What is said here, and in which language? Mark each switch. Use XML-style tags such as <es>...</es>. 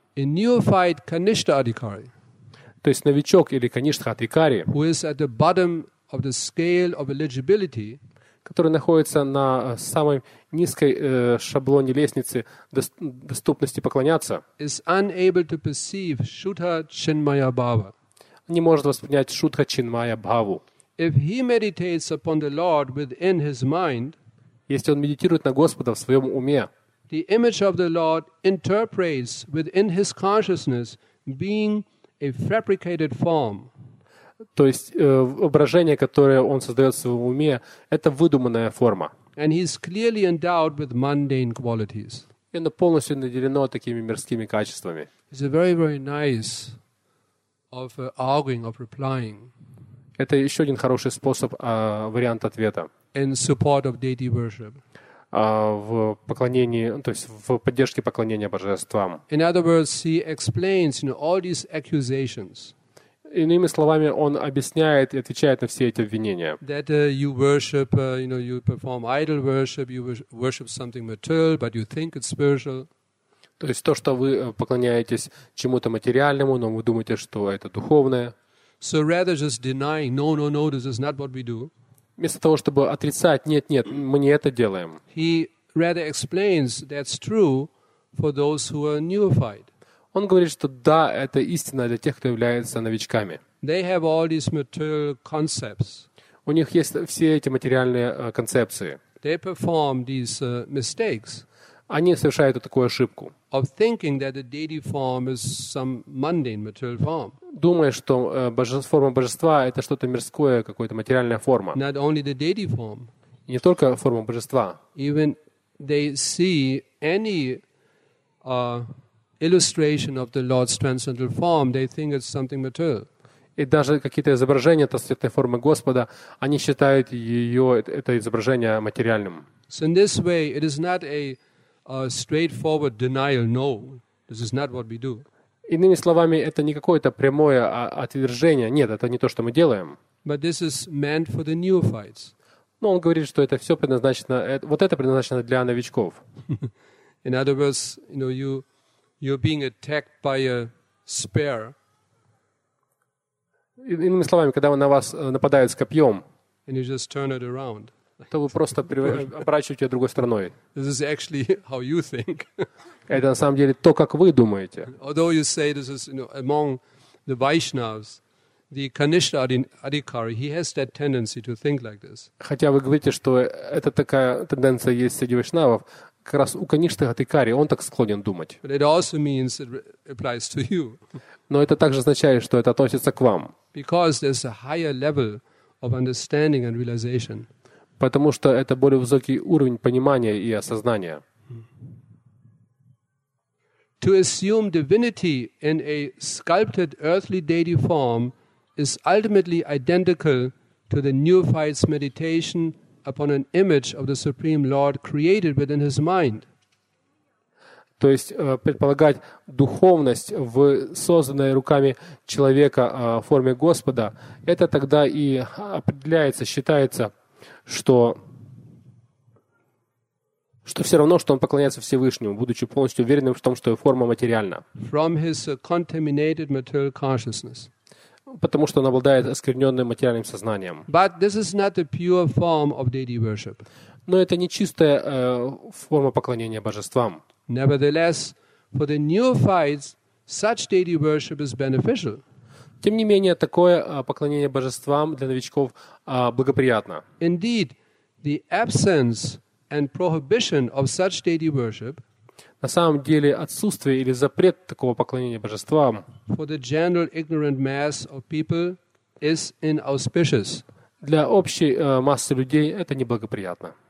<en>A neophyte Kanishtha Adhikari,</en> <ru>то есть новичок или Kanishtha Adhikari,</ru> <en>who is at the bottom of the scale of eligibility,</en> <ru>который находится на самой низкой шаблоне лестницы доступности поклоняться,</ru> <en>is unable to perceive Shuddha Chinmaya Bhava.</en> <ru>Не может воспринять Shuddha Chinmaya Bhavu.</ru> <en>If he meditates upon the Lord within his mind,</en> <ru>если он медитирует на Господа в своем уме,</ru> <en>the image of the Lord interprets within his consciousness being a fabricated form.</en> <ru>То есть воображение, которое он создает в своем уме, это выдуманная форма.</ru> <en>And he is clearly endowed with mundane qualities.</en> <ru>И оно полностью наделено такими мирскими качествами.</ru> <en>It's a very, very nice of arguing, of replying.</en> <ru>Это еще один хороший способ, вариант ответа.</ru> <en>In support of deity worship.</en> <ru>В поклонении, то есть в поддержке поклонения божествам.</ru> <en>In other words, he explains, you know, all these accusations.</en> <ru>Иными словами, он объясняет и отвечает на все эти обвинения.</ru> <en>That you worship, you know, you perform idol worship, you worship something material, but you think it's spiritual.</en> <ru>То есть то, что вы поклоняетесь чему-то материальному, но вы думаете, что это духовное.</ru> <en>So rather just denying, no, no, no, this is not what we do.</en> <ru>Вместо того, чтобы отрицать, нет, нет, мы не это делаем.</ru> <en>He rather explains that's true for those who are neophyte.</en> <ru>Он говорит, что да, это истина для тех, кто является новичками.</ru> <en>They have all these material concepts.</en> <ru>У них есть все эти материальные концепции.</ru> <en>They perform these mistakes.</en> <ru>Они совершают такую ошибку.</ru> <en>Of thinking that the deity form is some mundane material form.</en> <ru>Думая, что форма божества – это что-то мирское, какая-то материальная форма.</ru> <en>Not only the deity form.</en> <ru>Не только форма божества.</ru> <en>Even they see any illustration of the Lord's transcendental form, they think it's something material.</en> <ru>И даже какие-то изображения трансцендентной формы Господа, они считают ее, это изображение, материальным.</ru> <en>So in this way, it is not a straightforward denial, no, this is not what we do.</en> <ru>Иными словами, это не какое-то прямое отвержение. Нет, это не то, что мы делаем.</ru> <en>But this is meant for the neophytes.</en> <ru>Но он говорит, что это все предназначено, вот это предназначено для новичков.</ru> <en>In other words, you know, you're being attacked by a spear.</en> <ru>Иными словами, когда на вас нападают с копьем,</ru> <en>and you just turn it around.</en> <ru>То вы просто оборачиваете другой стороной.</ru> <en>This is actually how you think.</en> <ru>Это на самом деле то, как вы думаете.</ru> <en>Although you say this is, you know, among the Vaishnavas, the Kanishtha Adhikari, he has that tendency to think like this.</en> <ru>Хотя вы говорите, что это такая тенденция есть среди вайшнавов, как раз у Kanishtha Adhikari он так склонен думать.</ru> <en>But it also means it applies to you.</en> <ru>Но это также означает, что это относится к вам.</ru> <en>Because there's a higher level of understanding and realization.</en> <ru>Потому что это более высокий уровень понимания и осознания.</ru> <en>To assume divinity in a sculpted earthly deity form is ultimately identical to the neophyte's meditation upon an image of the Supreme Lord created within his mind.</en> <ru>То есть предполагать духовность в созданной руками человека форме Господа, это тогда и определяется, считается, что все равно, что он поклоняется Всевышнему, будучи полностью уверенным в том, что его форма материальна.</ru> <en>From his contaminated material consciousness.</en> <ru>Потому что он обладает оскверненным материальным сознанием.</ru> <en>But this is not a pure form of deity worship.</en> <ru>Но это не чистая форма поклонения божествам.</ru> <en>Nevertheless, for the neophytes, such deity worship is beneficial.</en> <ru>Тем не менее, такое поклонение божествам для новичков благоприятно.</ru> <en>Indeed, the absence and prohibition of such deity worship,</en> <ru>на самом деле, отсутствие или запрет такого поклонения божествам,</ru> <en>for the general ignorant mass of people is inauspicious.</en> <ru>для общей массы людей это неблагоприятно.</ru>